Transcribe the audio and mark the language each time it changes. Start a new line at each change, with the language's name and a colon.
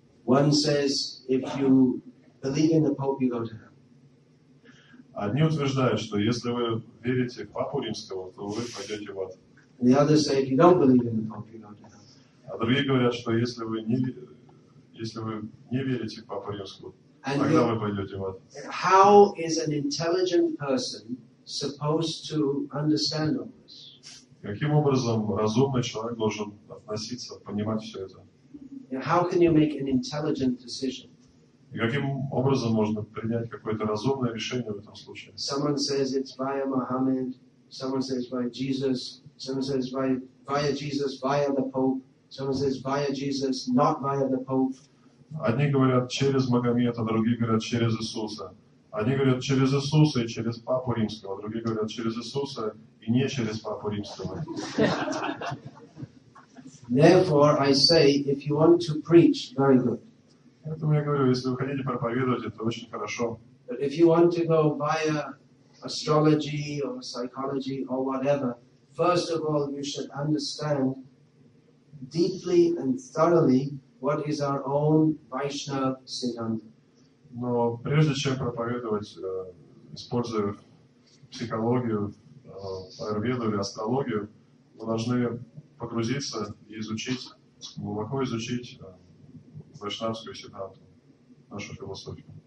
English: One says, if you believe in the Pope, you go to hell.
Russian: Одни утверждают, что если вы верите в Папу Римского, то вы пойдете в ад.
English: The others say, if you don't believe in the Pope, you go to hell.
Russian: А другие говорят, что если вы не верите в Папу Римского,
English: and
Russian: тогда вы пойдете в ад.
English: How is an intelligent person supposed to understand all this?
Russian: Каким образом разумный человек должен относиться, понимать все это?
English: How can you make an intelligent decision?
Russian: И каким образом можно принять какое-то разумное решение в этом случае?
English: Someone says it's via Muhammad, someone says via Jesus, someone says via Jesus, via the Pope, someone says via Jesus, not via the Pope.
Russian: Одни говорят через Магомета, другие говорят через Иисуса. Одни говорят через Иисуса и через Папу Римского, другие говорят через Иисуса и не через Папу Римского.
English: Therefore, I say, if you want to preach, very good.
Russian: Поэтому я говорю, если вы хотите проповедовать, это очень хорошо.
English: But if you want to go via astrology or psychology or whatever, first of all, you should understand deeply and thoroughly what is our own Vaishnav Siddhanta.
Russian: Но прежде чем проповедовать, используя психологию, аюрведу или астрологию, мы должны погрузиться и изучить, глубоко изучить вайшнавскую сиддханту, нашу философию.